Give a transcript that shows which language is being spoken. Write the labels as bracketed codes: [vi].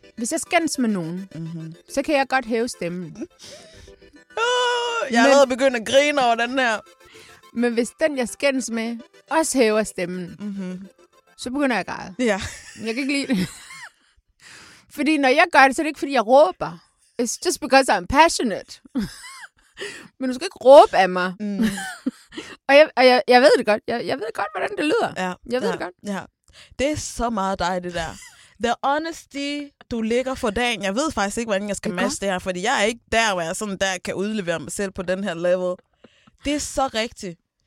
[da] Hvis jeg skændes med nogen, så kan jeg godt hæve stemmen. Jeg har allerede begyndt at grine over den her. Men hvis den, jeg skændes med, også hæver stemmen, så begynder jeg at græde. Ja. Jeg kan ikke lide det. Fordi når jeg gør det, så er det ikke, fordi jeg råber. [en] It's just because I'm passionate. [da] Men du skal ikke råbe af mig. Mm. og jeg ved det godt. Jeg ved godt, hvordan det lyder. Ja. Jeg ved det godt. Ja. Det er så meget dig, det der. [en] The honesty, [da] du ligger for dagen. Jeg ved faktisk ikke, hvordan jeg skal matche det her, fordi jeg er ikke der, hvor jeg sådan der kan udlevere mig selv på den her level. Det er så rigtigt.